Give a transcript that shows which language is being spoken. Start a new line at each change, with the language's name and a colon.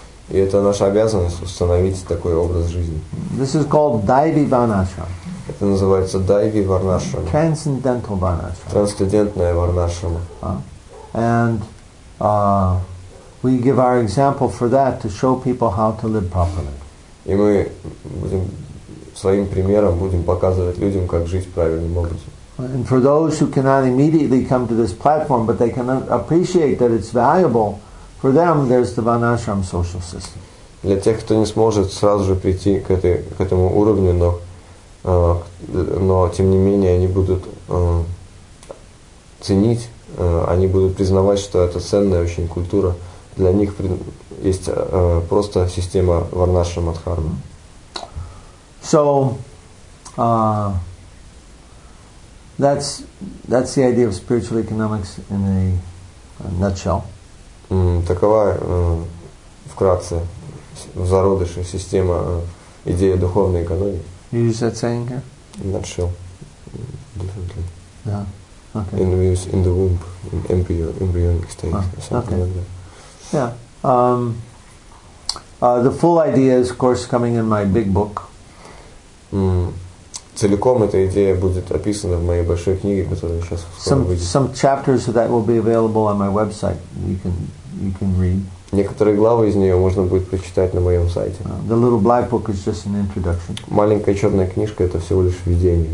Russian: И это наша обязанность установить такой образ жизни.
English: This is called Daivi Varnashram.
Russian: Это называется Daivi Varnashram.
English: Transcendental Varnashram.
Russian: Трансцендентная Варнашрама.
English: And we give our example for that to show people how to live properly.
Russian: И мы будем своим примером будем показывать людям, как жить правильным образом.
English: And for those who cannot immediately come to this platform, but they can appreciate that it's valuable. For them, there's the Varnashram social system.
Russian: Для тех, кто не сможет сразу же прийти к этому уровню, но тем не менее они будут ценить, они будут признавать, что это ценная очень культура. Для них есть просто система Варнашрама Дхармы.
English: So that's the idea of spiritual economics in a nutshell.
Russian: Такова вкратце в зародыше система идея духовной экономии.
English: You use that saying here? In a nutshell. Differently. Yeah. Okay. In the use in the womb, in embryonic state, or something like that. Yeah. The full idea is of course coming in my big book.
Russian: Целиком эта идея будет описана в моей большой книге, которая сейчас скоро выйдет.
English: Some chapters of that will be available on my website. You can read.
Russian: Некоторые главы из нее можно будет прочитать на моем сайте.
English: The little black book is just an introduction.
Russian: Маленькая черная книжка — это всего лишь введение.